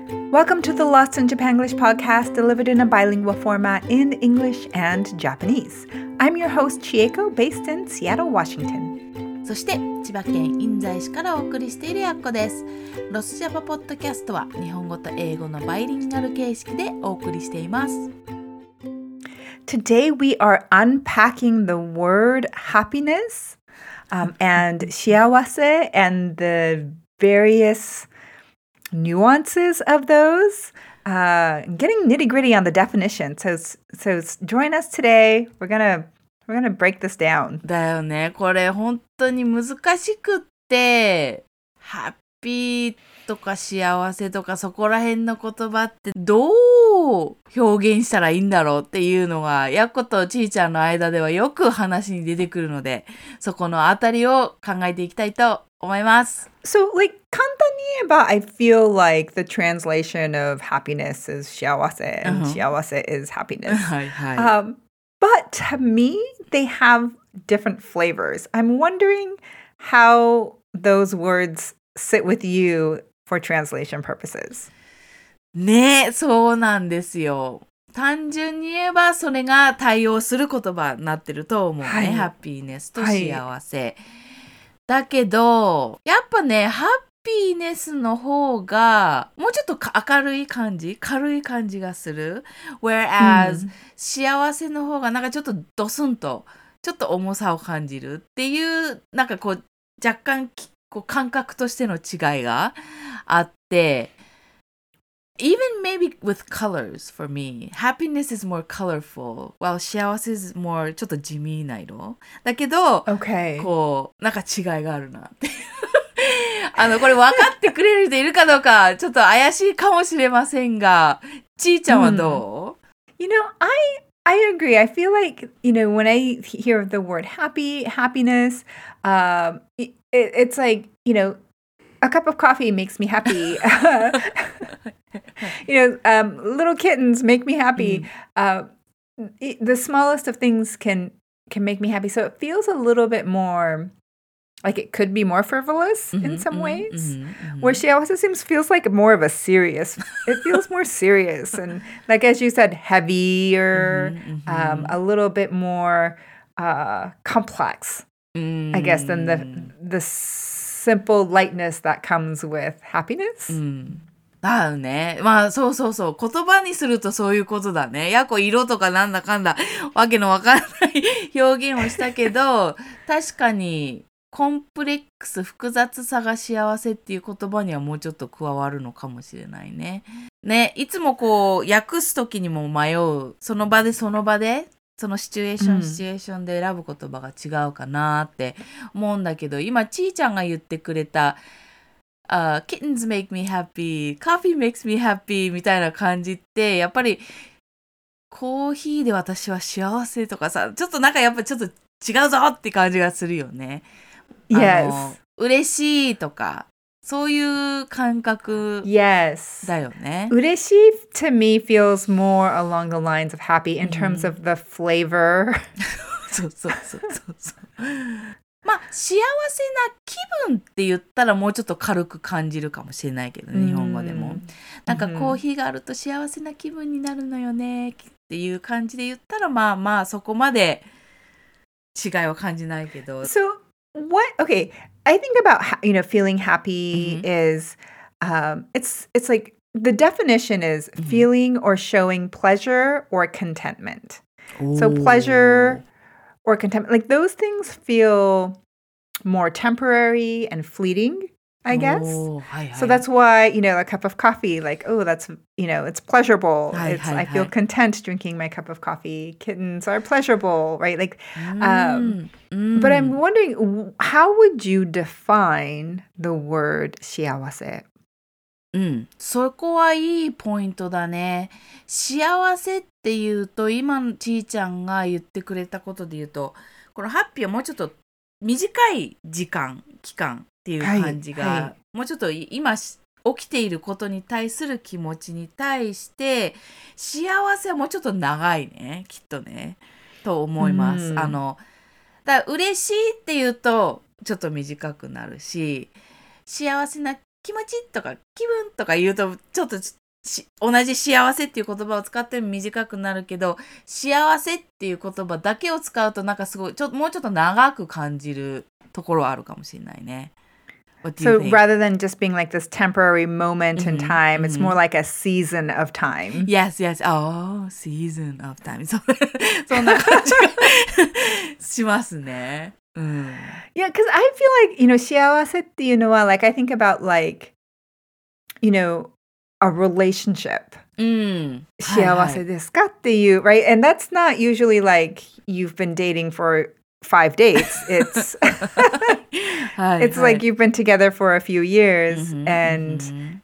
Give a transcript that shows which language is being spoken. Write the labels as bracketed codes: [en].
[en] Welcome to the Lost in Japan English podcast delivered in a bilingual format in English and Japanese. I'm your host Chieko, based in Seattle, Washington. [ja] そして千葉県印西市からお送りしているやっこです。ロスジャパポッドキャストは日本語と英語のバイリンガル形式でお送りしています。 [en] Today we are unpacking the word happiness and shiawase and the various nuances of those. Getting nitty gritty on the definition. So join us today. We're gonna break this down. [ja] だよね。これ本当に難しくって、ハッピーとか幸せとかそこら辺の言葉ってどう表現したらいいんだろうっていうのが、やっことちーちゃんの間ではよく話に出てくるので、そこのあたりを考えていきたいと思います。 [en] So, like, [ja] 簡単に言えば、 [en] I feel like the translation of happiness is 幸せ、and 幸せ is happiness. [ja] はいはい。 [en] But to me, they have different flavors. I'm wondering how those words sit with you for translation purposes. [ja] ね、そうなんですよ。単純に言えばそれが対応する言葉になってると思うね。はい、ハッピーネスと幸せ。はい、だけど、やっぱね、ハッピーネスの方がもうちょっと明るい感じ、軽い感じがする。 [en] Whereas、 [ja] うん、幸せの方がなんかちょっとドスンとちょっと重さを感じるっていう、なんかこう若干こう感覚としての違いがあって、 [en] Even maybe with colors for me, happiness is more [ja] colorful while 幸せ is more ちょっと地味な色だけど、 [en] okay. [ja] こうなんか違いがあるなっていう、あのこれ分かってくれる人いるかどうかちょっと怪しいかもしれませんが、ちーちゃんはどう？ [en] You know, I agree. I feel like, you know, when I hear the word happiness, it's like, you know, a cup of coffee makes me happy. You know, little kittens make me happy. The smallest of things can make me happy. So it feels a little bit more... Like, it could be more frivolous in some ways. Where shiawase seems, feels like more of a serious, it feels more serious. And like, as you said, heavier, a little bit more complex, I guess, than the simple lightness that comes with happiness. [ja] だよね。まあ、そうそうそう。言葉にするとそういうことだね。やこ、色とかなんだかんだ、わけのわからない表現をしたけど、確かに、コンプレックス、複雑さが幸せっていう言葉にはもうちょっと加わるのかもしれないね。ね、いつもこう訳す時にも迷う、その場でその場でそのシチュエーションで選ぶ言葉が違うかなって思うんだけど、今ちーちゃんが言ってくれた [en] Kittens make me happy, [ja] coffee makes me happy みたいな感じって、やっぱりコーヒーで私は幸せとかさ、ちょっとなんかやっぱちょっと違うぞって感じがするよね。 [en] Yes. [ja] 嬉しいとか、そういう感覚、 [en] yes. [ja] だよね。 [en] 嬉しい to me feels more along the lines of happy in terms of the flavor. [ja] そうそうそうそうそう。まあ、幸せな気分って言ったらもうちょっと軽く感じるかもしれないけど、日本語でも。なんかコーヒーがあると幸せな気分になるのよねっていう感じで言ったら、まあまあそこまで違いは感じないけど。 [en] So,What, okay, I think about, you know, feeling happy is, it's like, the definition is feeling or showing pleasure or contentment. Ooh. So pleasure or contentment, like those things feel more temporary and fleeting, I guess. Ooh, hi, hi. So that's why, you know, a cup of coffee, like, oh, that's, you know, it's pleasurable. Hi, it's, hi, I feel content drinking my cup of coffee. Kittens are pleasurable, right? Like, but I'm wondering, how would you define the word 幸せ? [ja] そこはいいポイントだね。幸せっていうと、今のちーちゃんが言ってくれたことで言うと、このハッピーはもうちょっと短い時間、期間っていう感じが、はいはい、もうちょっと今起きていることに対する気持ちに対して、幸せはもうちょっと長いね、きっとね、と思います。あの、だから嬉しいっていうとちょっと短くなるし、幸せな気持ちとか気分とか言うとちょっと同じ幸せっていう言葉を使っても短くなるけど、幸せっていう言葉だけを使うとなんかすごいちょもうちょっと長く感じるところはあるかもしれないね。 [en] So rather than just being like this temporary moment in time, mm-hmm. it's more like a season of time. Yes, yes. Oh, season of time. [ja] そんな感じがしますね。うん、 [en] yeah, because I feel like, you know, [ja] 幸せっていうのは [en] like I think about like, you know,a relationship. Mm. [ja] 幸せですかっていう, [en] right? And that's not usually like you've been dating for 5 dates. It's, it's like you've been together for a few years mm-hmm, and mm-hmm.